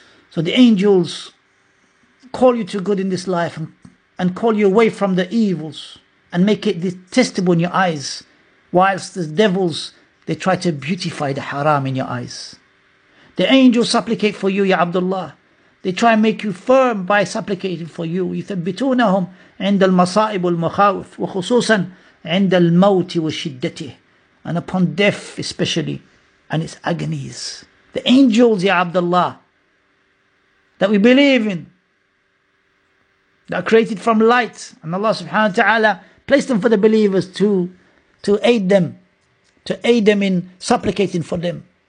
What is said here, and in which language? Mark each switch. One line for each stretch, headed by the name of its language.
English: So the angels call you to good in this life and call you away from the evils, and make it detestable in your eyes, whilst the devils, they try to beautify the haram in your eyes. The angels supplicate for you, Ya Abdullah. They try and make you firm by supplicating for you.
Arabic: يثبتونهم عند المصائب والمخاوف وخصوصا عند الموت وشدته.
English: And upon death especially, and its agonies. The angels, Ya Abdullah, that we believe in, that are created from light, and Allah subhanahu wa ta'ala place them for the believers to aid them in supplicating for them.